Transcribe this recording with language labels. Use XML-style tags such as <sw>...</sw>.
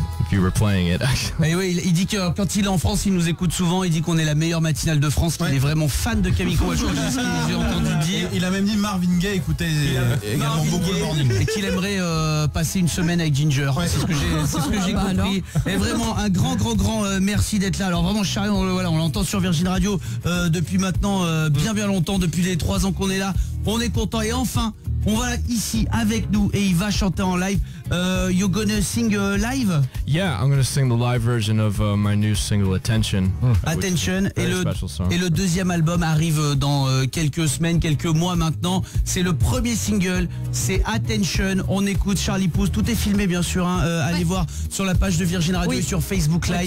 <en>You were playing it.</en> <fr>Et oui, il dit que quand il est en France, il nous écoute souvent. Il dit qu'on est la meilleure matinale de France. Ouais. Il est vraiment fan de Camille Combe. J'ai entendu dire. Il a même dit Marvin Gaye écoutait également beaucoup le morning. Et qu'il aimerait passer une semaine avec Ginger. Ouais. C'est ce que j'ai compris. Et vraiment un grand merci d'être là. Alors vraiment, Charlie, on l'entend sur Virgin Radio depuis maintenant bien longtemps, depuis les 3 ans qu'on est là. On est content et enfin, on va ici avec nous et il va chanter en live.</fr> <en>You're gonna sing live? Yeah, I'm gonna sing the live version of my new single Attention.</en> <fr>Attention, et le deuxième album arrive dans quelques semaines, quelques mois maintenant. C'est le premier single, c'est Attention. On écoute Charlie Pousse, tout est filmé bien sûr. Hein. Allez voir sur la page de Virgin Radio et sur Facebook Live.</fr>